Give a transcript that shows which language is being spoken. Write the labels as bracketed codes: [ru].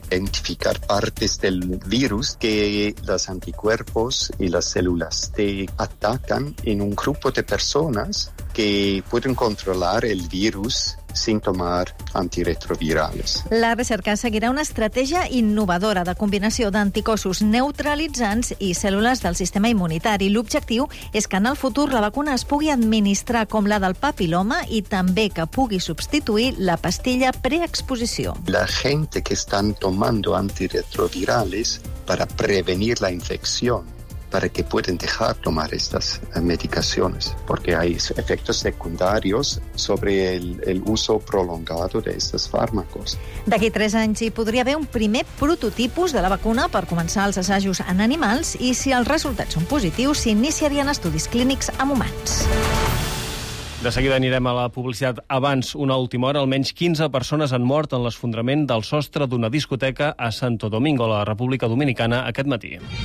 [es] Identificar partes del virus que los anticuerpos y las células te atacan en un grupo de personas que pueden controlar el virus sin tomar antiretrovirales. [ca] La recerca seguirà una estratègia innovadora de combinació d'anticossos neutralitzants i cèl·lules del sistema immunitari. L'objectiu és que en el futur la vacuna es pugui administrar com la del papiloma i també que pugui substituir la pastilla preexposició. [es] La gent que estan tomando antiretrovirales para prevenir la infección, para que puedan dejar tomar estas medicaciones, porque hay efectos secundarios sobre el uso prolongado de estos fármacos. [ca] D'aquí 3 anys hi podria haver un primer prototipus de la vacuna per començar els assajos en animals i, si els resultats són positius, s'iniciarien estudis clínics en humans. De seguida anirem a la publicitat. Abans, una última hora, almenys 15 persones han mort en l'esfondrament del sostre d'una discoteca a Santo Domingo, a la República Dominicana, aquest matí.